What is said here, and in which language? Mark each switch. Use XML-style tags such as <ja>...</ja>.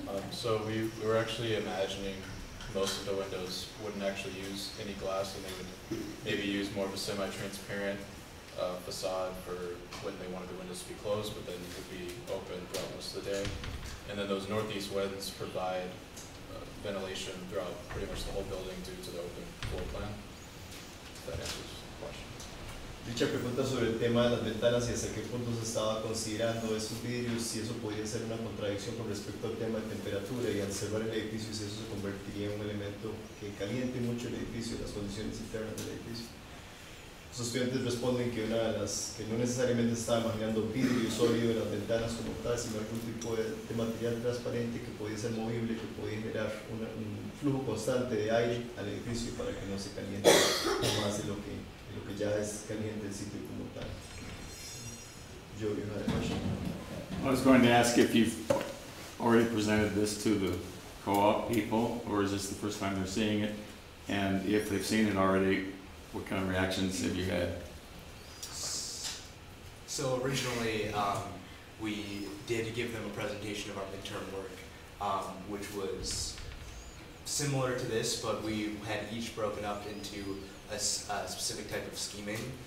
<en>So we were actually imagining most of the windows wouldn't actually use any glass, and they would maybe use more of a semi-transparent facade for when they wanted the windows to be closed, but then it could be open throughout most of the day. And then those northeast winds provide ventilation throughout pretty much the whole building due to the open floor plan. That answers the question.</en> <es>Dicha pregunta sobre el tema de las ventanas y hasta qué punto se estaba considerando esos vidrios, si eso podría ser una contradicción con respecto al tema de temperatura y al cerrar el edificio, si eso se convertiría en un elemento que caliente mucho el edificio, las condiciones internas del edificio. Los estudiantes responden que una de las que no necesariamente estaba imaginando vidrio sólido en las ventanas como tal, sino algún tipo de material transparente que podía ser movible, que podía generar un flujo constante de aire al edificio para que no se caliente más de lo que ya es caliente el sitio como tal.</es> <en>Yo, you had a question. I was going to ask if you've already presented this to the co-op people, or is this the first time they're seeing it, and if they've seen it already, what kind of reactions have you had? So originally, we did give them a presentation of our midterm work, which was similar to this, but we had each broken up into a specific type of scheming.</en>